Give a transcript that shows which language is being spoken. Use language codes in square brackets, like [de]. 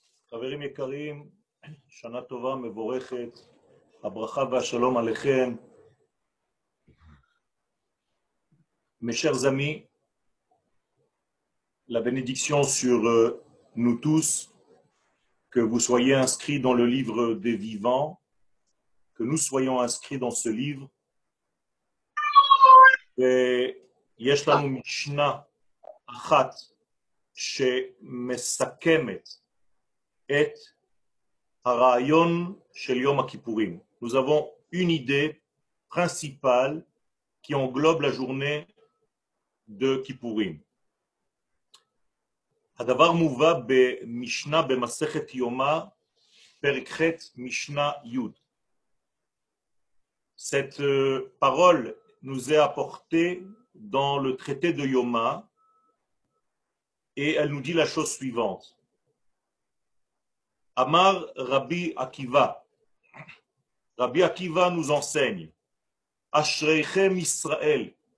[he] חברים יקרים, שנה טובה, מבורכת, הברכה והשלום עליכם. [fr] Mesher zami, la bénédiction sur nous tous, que vous soyez inscrits dans le livre des vivants, que nous soyons inscrits dans ce livre. [he] Et יש לנו משנה אחת שמסכמת את הרעיון של יום הכיפורים. [fr] Nous avons une idée principale qui englobe la journée de Kippourim. [he] הדבר מובא במשנה במסכת יומא, פרק ח' משנה י'. [fr] Cette parole nous est apportée dans le traité de Yoma et elle nous dit la chose suivante. Amar Rabbi Akiva. Rabbi Akiva nous enseigne Ashreichem Israël.